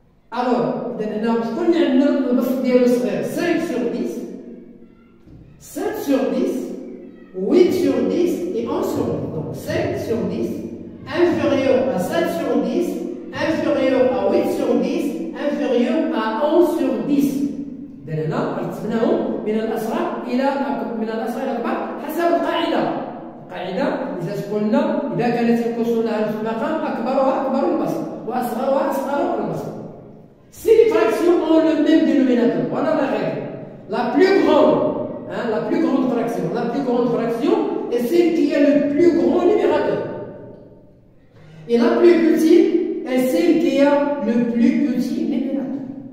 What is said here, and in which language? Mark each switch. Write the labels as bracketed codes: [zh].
[fr] Alors, maintenant, on a un don de ce matin, 5 sur 10, 7 sur 10, 8 sur 10 et 1 sur 10. Donc 5 sur 10, inférieur à 7 sur 10, inférieur à 8 sur 10, inférieur à 1 sur 10. Dès là, on dit maintenant, [ar] من الأصغر إلى من الأصغر إلى الأكبر حسب القاعدة. القاعدة إذا قلنا إذا كانت القصور لها نفس المقام أكبرها أكبر البسط وأصغرها أصغر البسط. [fr] Si les fractions ont le même dénominateur, voilà la règle. La plus grande. Hein, la plus grande fraction. La plus grande fraction est celle qui a le plus grand numérateur. Et la plus petite est celle qui a le plus petit numérateur.